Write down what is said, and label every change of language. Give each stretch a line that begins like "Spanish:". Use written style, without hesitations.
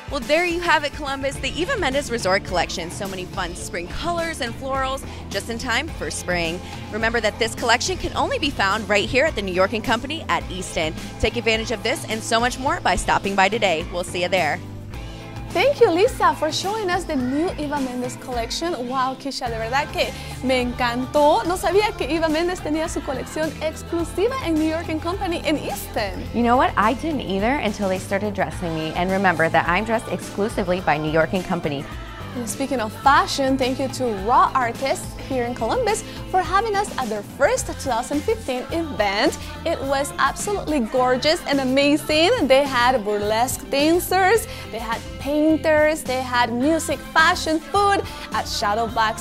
English: Well, there you have it, Columbus, the Eva Mendez Resort Collection. So many fun spring colors and florals just in time for spring. Remember that this collection can only be found right here at the New York & Company at Easton. Take advantage of this and so much more by stopping by today. We'll see you there. Thank you, Lisa, for showing us the new Eva Mendez collection.
Spanish: Wow, Keisha, de verdad que me encantó. No sabía que Eva Mendez tenía su colección exclusiva en New York & Company in Easton.
English: You know what? I didn't either until they started dressing me. And remember that I'm dressed exclusively by New York & Company. And speaking of fashion, thank you to Raw Artists here in Columbus for having us at their first 2015 event. It was absolutely gorgeous and amazing. They had burlesque dancers, they had painters, they had music, fashion, food at Shadow Box.